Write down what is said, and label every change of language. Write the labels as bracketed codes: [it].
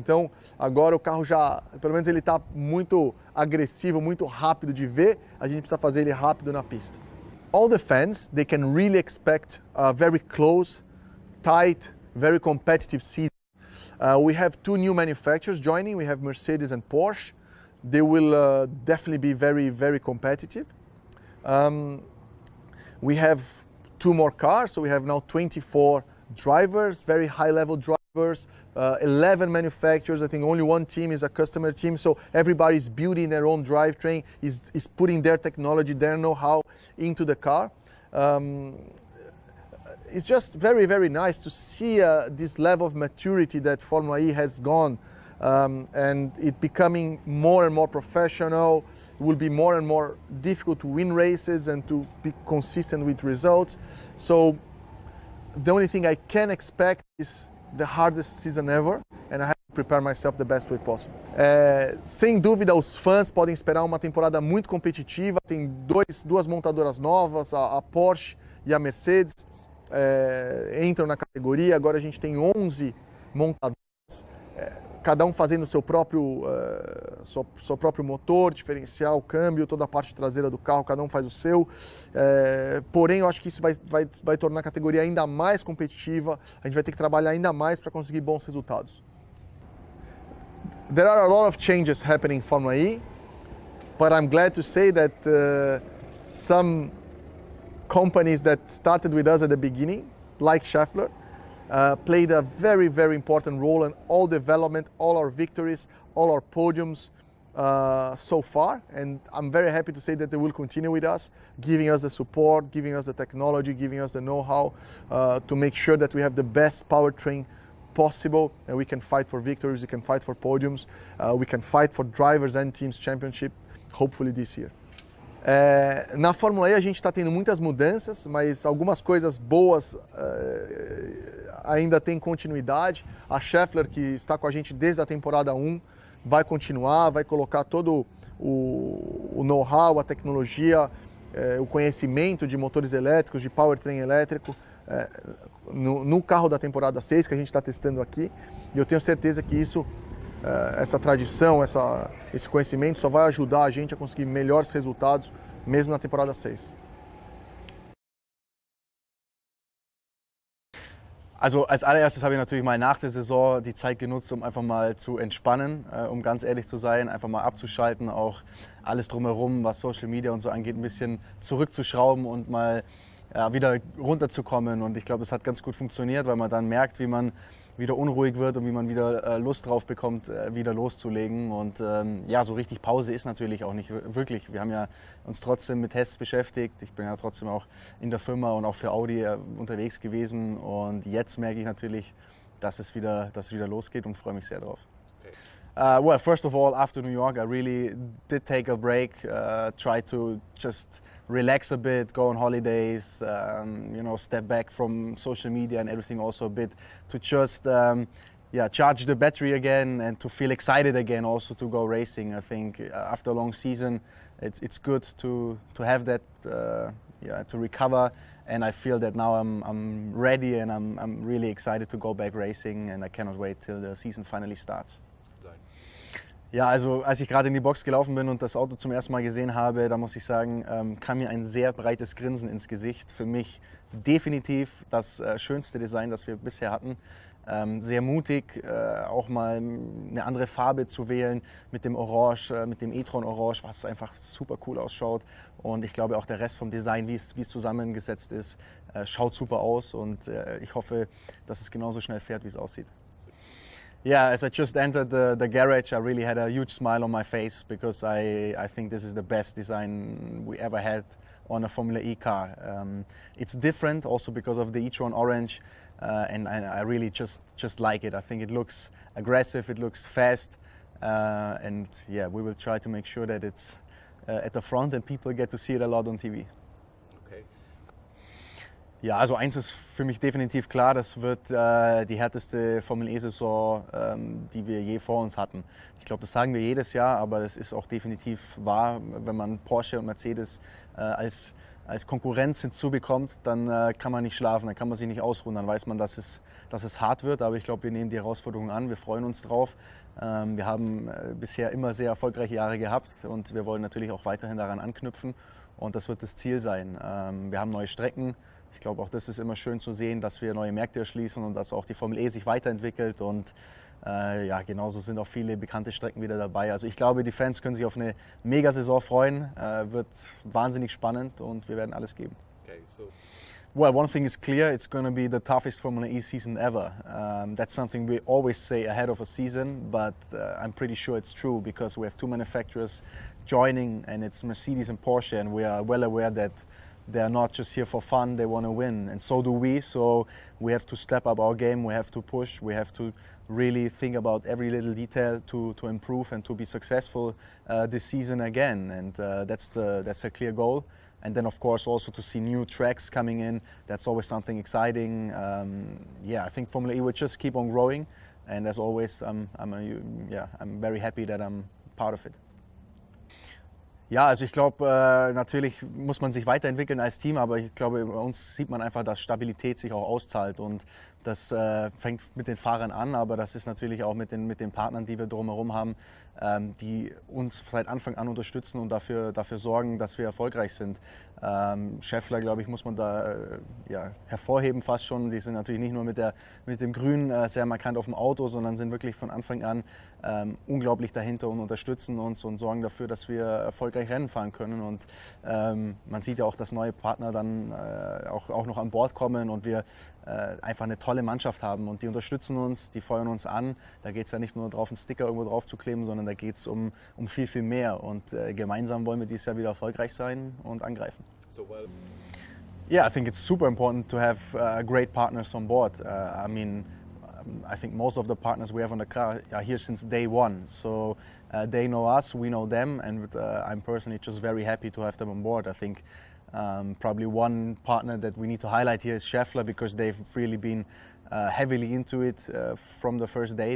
[pt] Então, agora o carro já, pelo menos ele está muito agressivo, muito rápido de ver. A gente precisa fazer ele rápido na pista. [en] All the fans, they can really expect a very close, tight, very competitive season. We have two new manufacturers joining. We have Mercedes and Porsche. They will definitely be very, very competitive. We have two more cars, so we have now 24 drivers, very high-level drivers, 11 manufacturers. I think only one team is a customer team, so everybody's building their own drivetrain, is putting their technology, their know-how into the car. It's just very, very nice to see this level of maturity that Formula E has gone, and it becoming more and more professional. It will be more and more difficult to win races and to be consistent with results. So the only thing I can expect is the hardest season ever, and I have to prepare myself the best way possible. [pt] Sem dúvida, os fãs podem esperar uma temporada muito competitiva. Tem duas montadoras novas, a Porsche e a Mercedes, entram na categoria. Agora a gente tem 11 montadoras, cada um fazendo seu próprio motor, diferencial, câmbio, toda a parte traseira do carro, cada um faz o seu. Porém, eu acho que isso vai tornar a categoria ainda mais competitiva. A gente vai ter que trabalhar ainda mais para conseguir bons resultados. [en] There are a lot of changes happening in Formula E, but I'm glad to say that some companies that started with us at the beginning, like Schaeffler, played a very, very important role in all development, all our victories, all our podiums so far. And I'm very happy to say that they will continue with us, giving us the support, giving us the technology, giving us the know-how to make sure that we have the best powertrain possible, and we can fight for victories, we can fight for podiums, we can fight for drivers and teams championship, hopefully this year. [pt] Na Fórmula E a gente está tendo muitas mudanças, mas algumas coisas boas ainda tem continuidade. A Schaeffler, que está com a gente desde a temporada 1, vai continuar, vai colocar todo o know-how, a tecnologia, o conhecimento de motores elétricos, de powertrain elétrico, no carro da temporada 6 que a gente está testando aqui. E eu tenho certeza que isso, essa tradição, esse conhecimento só vai ajudar a gente a conseguir melhores resultados mesmo na temporada 6. [de] Also als allererstes habe ich natürlich mal nach der Saison die Zeit genutzt, um einfach mal zu entspannen, um ganz ehrlich zu sein, einfach mal abzuschalten, auch alles drumherum, was Social Media und so angeht, ein bisschen zurückzuschrauben und mal wieder runterzukommen. Und ich glaube, das hat ganz gut funktioniert, weil man dann merkt, wie man wieder unruhig wird und wie man wieder Lust drauf bekommt, wieder loszulegen. Und ja, so richtig Pause ist natürlich auch nicht wirklich. Wir haben ja uns trotzdem mit Tests beschäftigt. Ich bin ja trotzdem auch in der Firma und auch für Audi unterwegs gewesen. Und jetzt merke ich natürlich, dass es wieder losgeht und freue mich sehr drauf. [en] Okay. Well, first of all, after New York, I really did take a break, try to just relax a bit, go on holidays, you know, step back from social media and everything also a bit to just charge the battery again and to feel excited again also to go racing. I think after a long season, it's good to have that, to recover. And I feel that now I'm ready and I'm really excited to go back racing and I cannot wait till the season finally starts. [de] Ja, also als ich gerade in die Box gelaufen bin und das Auto zum ersten Mal gesehen habe, da muss ich sagen, kam mir ein sehr breites Grinsen ins Gesicht. Für mich definitiv das schönste Design, das wir bisher hatten. Sehr mutig, auch mal eine andere Farbe zu wählen mit dem Orange, mit dem e-tron Orange, was einfach super cool ausschaut. Und ich glaube auch der Rest vom Design, wie es zusammengesetzt ist, schaut super aus. Und ich hoffe, dass es genauso schnell fährt, wie es aussieht. [en] Yeah, as I just entered the garage, I really had a huge smile on my face because I think this is the best design we ever had on a Formula E car. It's different also because of the e-tron orange and I really just like it. I think it looks aggressive, it looks fast and yeah, we will try to make sure that it's at the front and people get to see it a lot on TV. [de] Ja, also eins ist für mich definitiv klar, das wird die härteste Formel-E-Saison, die wir je vor uns hatten. Ich glaube, das sagen wir jedes Jahr, aber das ist auch definitiv wahr. Wenn man Porsche und Mercedes als Konkurrenz hinzubekommt, dann kann man nicht schlafen, dann kann man sich nicht ausruhen, dann weiß man, dass es hart wird. Aber ich glaube, wir nehmen die Herausforderung an, wir freuen uns drauf. Wir haben bisher immer sehr erfolgreiche Jahre gehabt und wir wollen natürlich auch weiterhin daran anknüpfen. Und das wird das Ziel sein. Wir haben neue Strecken. Ich glaube, auch das ist immer schön zu sehen, dass wir neue Märkte erschließen und dass auch die Formel E sich weiterentwickelt. Und ja, genauso sind auch viele bekannte Strecken wieder dabei. Also ich glaube, die Fans können sich auf eine Mega-Saison freuen. Wird wahnsinnig spannend und wir werden alles geben. [en] Okay, so. Well, one thing is clear, it's going to be the toughest Formula E season ever. That's something we always say ahead of a season, but I'm pretty sure it's true because we have two manufacturers joining and it's Mercedes and Porsche and we are well aware that they are not just here for fun, they want to win. And so do we, so we have to step up our game, we have to push, we have to really think about every little detail to improve and to be successful this season again. And that's a clear goal. And then of course also to see new tracks coming in, that's always something exciting. I think Formula E will just keep on growing. And as always, I'm very happy that I'm part of it. [de] Ja, also ich glaube, natürlich muss man sich weiterentwickeln als Team, aber ich glaube, bei uns sieht man einfach, dass Stabilität sich auch auszahlt und das fängt mit den Fahrern an, aber das ist natürlich auch mit den Partnern, die wir drumherum haben, die uns seit Anfang an unterstützen und dafür sorgen, dass wir erfolgreich sind. Scheffler, glaube ich, muss man da hervorheben fast schon. Die sind natürlich nicht nur mit dem Grün sehr markant auf dem Auto, sondern sind wirklich von Anfang an unglaublich dahinter und unterstützen uns und sorgen dafür, dass wir erfolgreich Rennen fahren können. Und man sieht ja auch, dass neue Partner dann auch noch an Bord kommen und wir einfach eine tolle Mannschaft haben und die unterstützen uns, die feuern uns an. Da geht es ja nicht nur darauf, einen Sticker irgendwo drauf zu kleben, sondern da geht es um viel, viel mehr. Und gemeinsam wollen wir dieses Jahr wieder erfolgreich sein und angreifen. [en] So, well. Yeah, I think it's super important to have great partners on board. I mean, I think most of the partners we have on the car are here since day one. So they know us, we know them and I'm personally just very happy to have them on board. I think probably one partner that we need to highlight here is Scheffler because they've really been heavily into it from the first day.